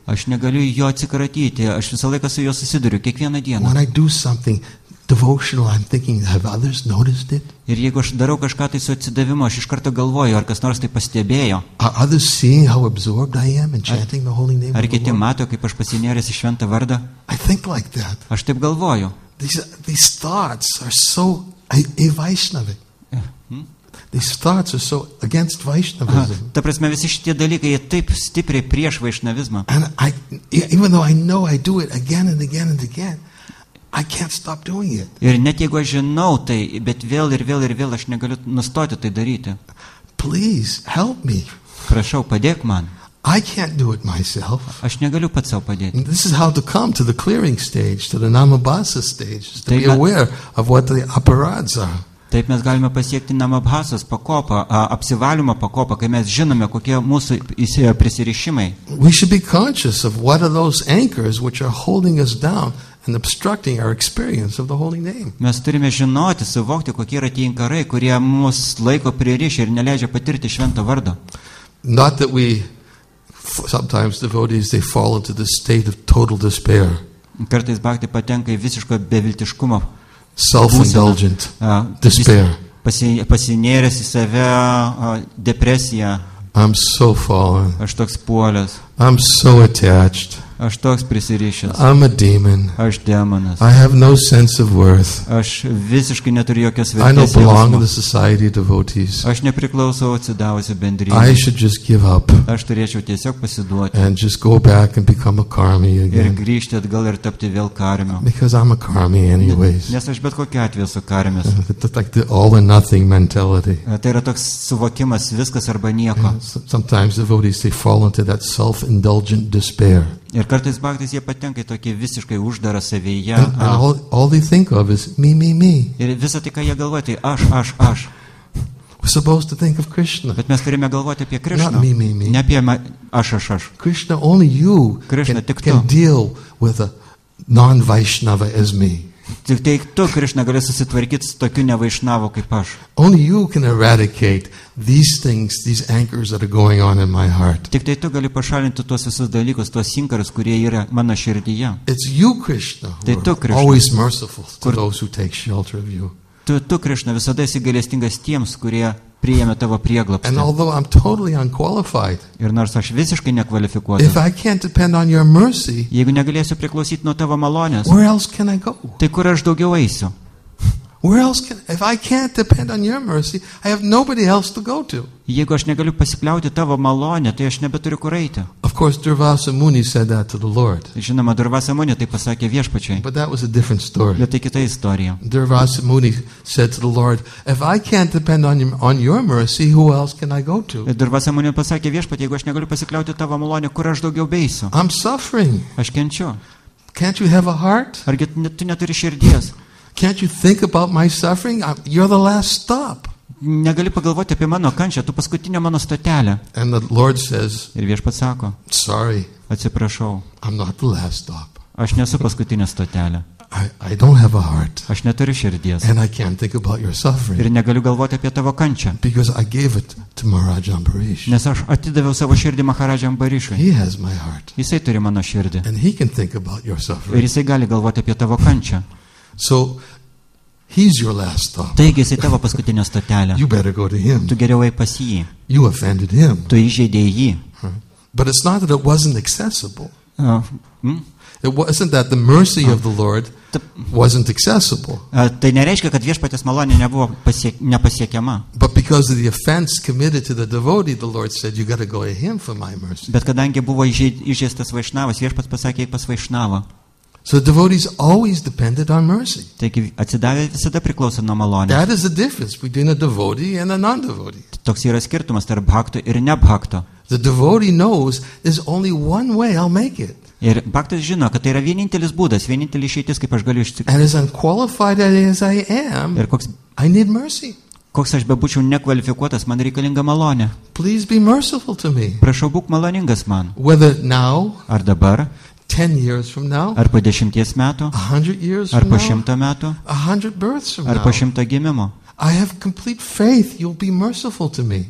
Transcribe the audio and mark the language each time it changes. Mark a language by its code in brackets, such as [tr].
[lt] Aš negaliu jo atsikratyti. Aš visą laiką su juo susiduriu kiekvieną dieną. [en] When I do something devotional, I'm thinking, have others noticed it? [lt] Ir jeigu aš darau kažką tai su atsidavimu, aš iš karto galvoju, ar kas nors tai pastebėjo. [en] Are others seeing how absorbed I am in chanting the holy name? [lt] Ar kiti mato, kaip aš pasinėręs į šventą vardą? [en] I think like that. [lt] Aš taip galvoju. [en] These thoughts are so Vaishnavi. These thoughts are so against Vaishnavism. [lt] Ta prasme, visi šitie dalykai jie taip stipriai prieš Vaishnavizmą. [en] And I, even though I know I do it again and again and again, I can't stop doing it. [lt] Ir net jeigu aš žinau tai, bet vėl ir vėl ir vėl aš negaliu nustoti tai daryti. [en] Please help me. [lt] Prašau, padėk man. [en] I can't do it myself. [lt] Aš negaliu pats sau padėti. [en] This is how to come to the clearing stage, to the Namabhasa stage, to be aware of what the aparads are. [lt] Taip mes galime pasiekti namabhasas pakopą, apsivalymo pakopą, kai mes žinome, kokie mūsų įsėjo prisirišimai. [en] We should be conscious of what are those anchors which are holding us down and obstructing our experience of the holy name. [lt] Mes turime žinoti, suvokti, kokie yra tie inkarai, kurie mus laiko pririšę ir neleidžia patirti švento vardo. [en] Not that we sometimes devotees they fall into the state of total despair. [lt] Kartais bhakti patenka į visiško beviltiškumo. [en] Self-indulgent despair. [lt] Pasinėręs į save depresiją. [en] I'm so fallen. [lt] Aš toks puolęs. [en] I'm so attached. [lt] Aš toks prisirišęs. [en] I'm a demon. [lt] Aš demonas. [en] I have no sense of worth. [lt] Aš visiškai neturiu jokios vertės. [en] I don't belong to the society of devotees. [lt] Aš nepriklausau atsidavusiai bendrijai. [en] I should just give up. [lt] Aš turėčiau tiesiog pasiduoti. [en] And just go back and become a karmi again. [lt] Ir grįžti atgal ir tapti vėl karmiu. [en] Because I'm a karmi anyways. [lt] Nes aš bet kokiu atveju esu karmis. [en] Like the all or nothing mentality. [lt] Tai yra toks suvokimas viskas arba nieko. [en] Sometimes devotees they fall into that self-indulgent despair. [lt] Ir kartais bhaktis jie patenka į tokį visiškai uždarą savyje. [en] All they think of is me, me, me. [lt] Ir visą tai, ką jie galvoja, tai aš. [en] We're supposed to think of Krishna. [lt] Bet mes turime galvoti apie Krishna. [en] Not me, me, me. [lt] Ne apie aš. [en] Krishna, only you [lt] Krishna, [en] can deal with a non-Vaishnava as me. [lt] Tik tai tu, Krishna, gali susitvarkyti su tokiu nevaišnavu kaip aš. [en] Only you can eradicate these things, these anchors that are going on in my heart. [lt] Tik tai tu gali pašalinti tuos visus dalykus, tuos inkarus, kurie yra mano širdyje. [en] It's you, Krishna, [lt] tai tu, Krishna, [en] always merciful to those who take shelter of you. [lt] Tu, Krishna, visada esi gailestingas tiems, kurie priėmė tavo prieglobstį. [en] And although I'm totally unqualified. [lt] Ir nors aš visiškai nekvalifikuotas. [en] If I can't depend on your mercy. [lt] Jeigu negalėsiu priklausyti nuo tavo malonės. [en] Where else can I go? [lt] Tai kur aš daugiau eisiu? [en] Where else can, if I can't depend on your mercy, I have nobody else to go to. [lt] Jeigu aš negaliu pasikliauti tavo malone, tai aš nebeturiu kur eiti. [en] Of course, Durvasa Muni said that to the Lord. [lt] Žinoma, Durvasa Muni tai pasakė viešpačiai. [en] But that was a different story. [lt] Bet tai kita istorija. [en] Durvasa Muni said to the Lord, if I can't depend on your mercy, who else can I go to? [lt] Durvasa Muni pasakė viešpačiai, jeigu aš negaliu pasikliauti tavo malone, kur aš daugiau beisiu? [en] I'm suffering. [lt] Aš kenčiu. [en] Can't you have a heart? [lt] Argi tu neturi širdies? [en] Can't you think about my suffering? You're the last stop. [lt] Negali pagalvoti apie mano kančią, tu paskutinė mano stotelė. [en] And the Lord says, [lt] ir viešpats sako, [en] sorry, [lt] atsiprašau, [en] I'm not the last stop. [lt] Aš nesu paskutinė stotelė. [en] I don't have a heart. [lt] Aš neturiu širdies. [en] And I can't think about your suffering. [lt] Ir negaliu galvoti apie tavo kančią. [en] Because I gave it to Maharaj Ambarish. [lt] Nes aš atidaviau savo širdį Maharaj Ambarishui. [en] He has my heart. [lt] Jisai turi mano širdį. [en] And he can think about your suffering. [lt] Ir jisai gali galvoti apie tavo kančią. [en] So he's your last stop. [lt] Taigi jisai tavo paskutinė stotelė. [en] You better go to him. [lt] Tu geriau eik pas jį. [en] You offended him. [lt] Tu įžeidėjai jį. [en] But it's not that it wasn't accessible. It wasn't that the mercy of the Lord wasn't accessible. [lt] Tai nereiškia, kad viešpatės malonė nebuvo nepasiekiama. [en] But because of the offense committed to the devotee, the Lord said, you got to go to him for my mercy. [lt] Bet kadangi buvo įžeistas vaišnavas, viešpats pasakė, eik pas vaišnavą. [en] So devotees always depended on mercy. [lt] Taigi atsidavę visada priklauso nuo malonės. [en] That is the difference between a devotee and a non-devotee. [lt] Toks yra skirtumas tarp bhakto ir nebhakto. [en] The devotee knows there's only one way I'll make it. [lt] Ir bhaktas žino, kad tai yra vienintelis būdas, vienintelis išeitis, kaip aš galiu išsikrauti. [en] And as unqualified as I am, I need mercy. [lt] Koks aš bebūčiau nekvalifikuotas, man reikalinga malonė. [en] Please be merciful to me. [lt] Prašau, būk maloningas man. [en] Whether now, [lt] ar dabar, [en] 10 years from now? [lt] Ar po 10 metų? [en] 100 years [lt] ar po 100 metų? [en] 100 births from now? [lt] Ar po 100 gimimo? [en] I have complete faith you'll be merciful to me.